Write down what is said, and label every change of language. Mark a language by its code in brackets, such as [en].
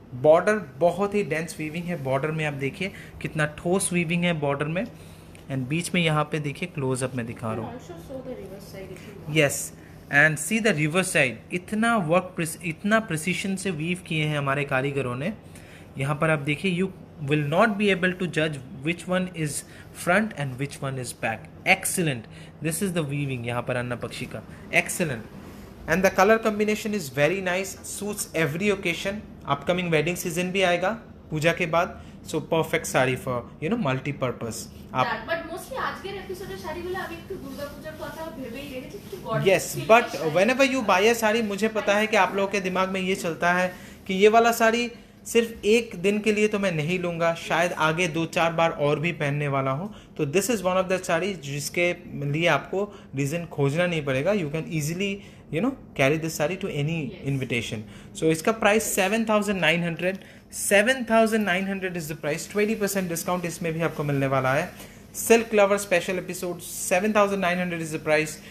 [hi] Border बहुत ही dense weaving है border में, आप देखिए कितना ठोस वीविंग है बॉर्डर में। एंड बीच में यहाँ पे देखिए क्लोजअप में दिखा रहा हूँ, [en] yes and see the reverse side, [hi] इतना वर्क इतना प्रिसिशन से वीव किए हैं हमारे कारीगरों ने। यहाँ पर आप देखिए [en] you will not be able to judge which one is front and which one is back, excellent, this is the weaving [hi] yahan par anna pakshi ka, [en] excellent, and the color combination is very nice, suits every occasion, upcoming wedding season [hi] bhi aayega puja ke baad, [en] so perfect sari for you know multipurpose আপ [bn] but mostly আজকের এপিসোডের শাড়িগুলো আমি একটু দুর্গাপূজার কথা ভেবেই রেখেছি একটু god [en] yes but whenever you buy a sari [hi] মুঝে পতা হ্যায় কি আপ লোগো কে দিমাগ মে ইয়ে চলতা হ্যায় কি ইয়ে ওয়ালা শাড়ি सिर्फ एक दिन के लिए तो मैं नहीं लूंगा, शायद आगे दो चार बार और भी पहनने वाला हूँ. तो [en] this is one of the sari [hi] जिसके लिए आपको रीज़न खोजना नहीं पड़ेगा. [en] You can easily you know carry this sari to any invitation. [hi] सो इसका price 7900 is the price. 20% discount इसमें भी आपको मिलने वाला है. Silk lover special episode 7900 is the price.